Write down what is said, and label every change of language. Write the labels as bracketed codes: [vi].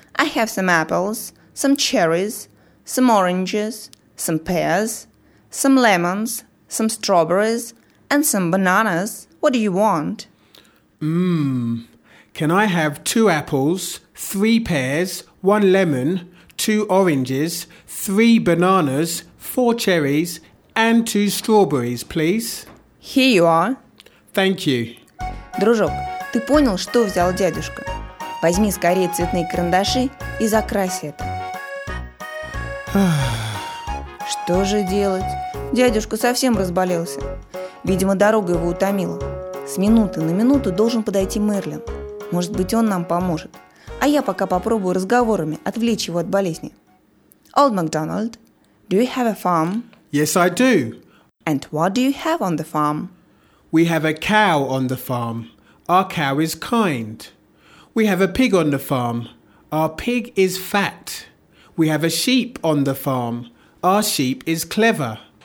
[en] I have some apples, some cherries, some oranges, some pears, some lemons, some strawberries, and some bananas. What do you want? Can I have 2 apples, 3 pears, 1 lemon, 2 oranges, 3 bananas, 4 cherries, and 2 strawberries, please? Here you are. Thank you. [ru] Дружок, ты понял, что взял дядюшка? Возьми скорее цветные карандаши и закрась это. Что же делать? Дядюшка совсем разболелся. Видимо, дорога его утомила. С минуты на минуту должен подойти Мерлин. Может быть, он нам поможет. А я пока попробую разговорами отвлечь его от болезни. [en] Old MacDonald, do you have a farm? Yes, I do. And what do you have on the farm? We have a cow on the farm. Our cow is kind. We have a pig on the farm. Our pig is fat. We have a sheep on the farm. Our sheep is clever.